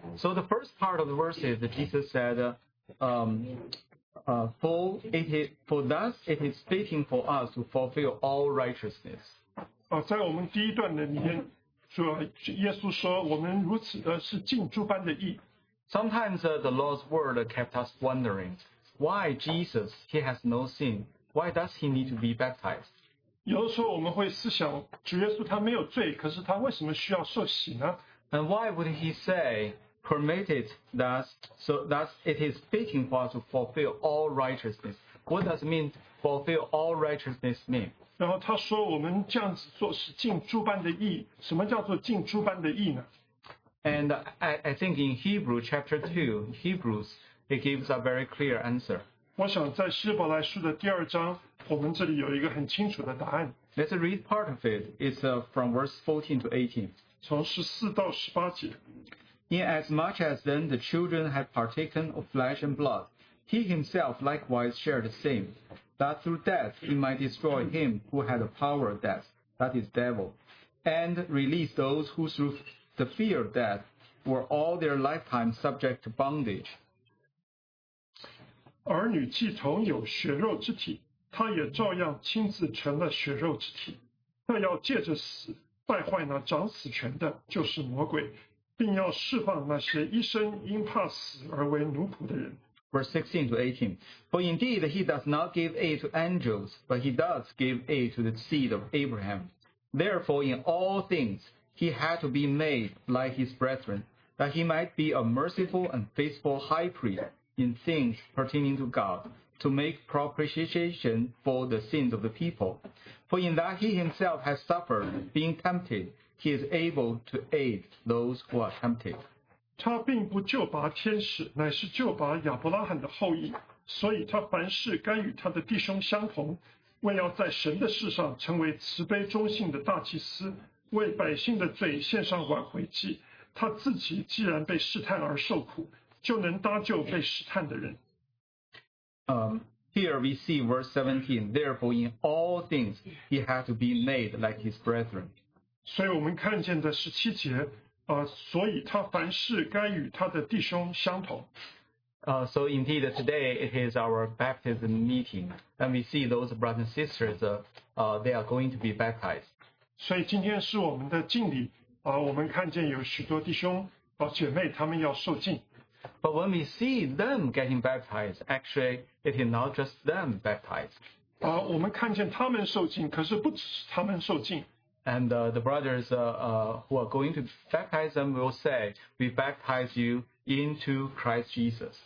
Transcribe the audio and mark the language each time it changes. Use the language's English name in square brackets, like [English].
[English] So the first part of the verses that Jesus said, for thus it is fitting for us to fulfill all righteousness. [Chinese] 在我们第一段的里面，耶稣说我们如此的是尽诸般的义。 [English] Sometimes the Lord's word kept us wondering, why Jesus, he has no sin, why does he need to be baptized? [Chinese] 有的时候我们会思想，主耶稣他没有罪，可是他为什么需要受洗呢？ [English] And why would he say, permit it thus it is fitting for us to fulfill all righteousness? What does it mean, fulfill all righteousness mean? [Chinese] 然后他说我们这样子做是尽诸般的义，什么叫做尽诸般的义呢？ [English] And I think in Hebrew chapter 2, Hebrews, it gives a very clear answer. [Chinese] 我想在希伯来书的第二章，我们这里有一个很清楚的答案。 [English] Let's read part of it. It's from verse 14 to 18. [Chinese] 从14到18节。 [English] Inasmuch as then the children have partaken of flesh and blood, he himself likewise shared the same, that through death he might destroy him who had the power of death, that is devil, and release those who through the fear of death were all their lifetime subject to bondage. [Chinese] 儿女既同有血肉之体，他也照样亲自成了血肉之体，那要借着死败坏那掌死权的，就是魔鬼，并要释放那些一生因怕死而为奴仆的人。 [English] Verse 16 to 18. For indeed he does not give aid to angels, but he does give aid to the seed of Abraham. Therefore in all things he had to be made like his brethren, that he might be a merciful and faithful high priest in things pertaining to God, to make propitiation for the sins of the people. For in that he himself has suffered, being tempted, he is able to aid those who are tempted. [Chinese] 他并不救拔天使，乃是救拔亚伯拉罕的后裔，所以他凡事甘与他的弟兄相同，为要在神的事上成为慈悲忠信的大祭司，为百姓的罪献上挽回祭。他自己既然被试探而受苦，就能搭救被试探的人。 [English] Here we see verse 17, therefore in all things he had to be made like his brethren. [Chinese] 所以我们看见的十七节，所以他凡事该与他的弟兄相同。 [English] So indeed, today it is our baptism meeting, and we see those brothers and sisters, they are going to be baptized. [Chinese] 所以今天是我们的敬礼，我们看见有许多弟兄姐妹他们要受浸。 [English] But when we see them getting baptized, actually it is not just them baptized. [Chinese] 我们看见他们受浸，可是不只是他们受浸。 [English] And the brothers who are going to baptize them will say, "We baptize you into Christ Jesus."